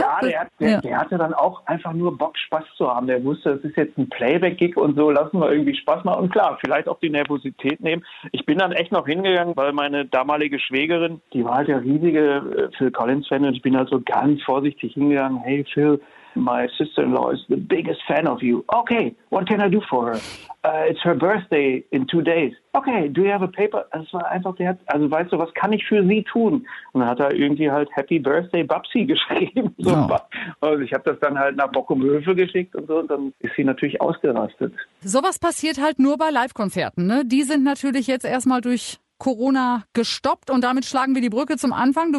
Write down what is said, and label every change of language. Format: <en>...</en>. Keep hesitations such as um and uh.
<de>Ja, der, hat, der, Ja. der hatte dann auch einfach nur Bock, Spaß zu haben. Der wusste, das ist jetzt ein Playback-Gig und so, lassen wir irgendwie Spaß machen. Und klar, vielleicht auch die Nervosität nehmen. Ich bin dann echt noch hingegangen, weil meine damalige Schwägerin, die war halt der riesige äh, Phil Collins-Fan und ich bin halt so ganz vorsichtig hingegangen.</de> <en>Hey Phil, my sister-in-law is the biggest fan of you. Okay, what can I do for her? Uh, it's her birthday in two days. Okay, do you have a paper?</en> <de>Das war einfach, der hat, also weißt du, was kann ich für sie tun? Und dann hat er irgendwie halt Happy Birthday Babsi geschrieben. So, Ja. Und ich habe das dann halt nach Bockumhöfe geschickt und so und dann ist sie natürlich ausgerastet. Sowas passiert halt nur bei Live-Konzerten, ne? Die sind natürlich jetzt erstmal durch Corona gestoppt und damit schlagen wir die Brücke zum Anfang.</de>